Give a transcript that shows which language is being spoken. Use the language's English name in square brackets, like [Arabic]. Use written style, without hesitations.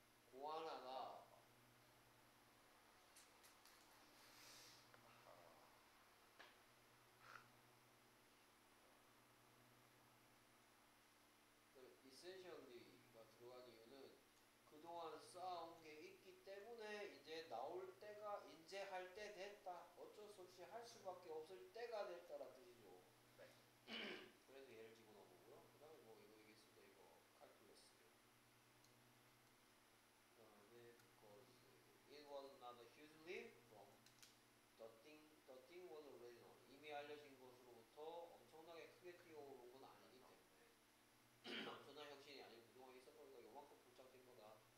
[Korean] 뭐 하나가 이센셜리가 들어간 이유는 그동안 쌓아온 게 있기 때문에 이제 나올 때가 이제 할 때 됐다. 어쩔 수 없이 할 수밖에 없을 때가 됐다라 뜻이죠. 네. 그래서 얘를 집어넣고요. 그다음에 뭐 이거 얘기했어도 이거 calculus. 그다음에 [English] because it was not a huge leap from the thing was already known. [Korean] 이미 알려진 것으로부터 엄청나게 크게 뛰어오른 건 아니기 때문에 엄청난 혁신이 아니고 그동안 있었던 거 요만큼 부착된 거다.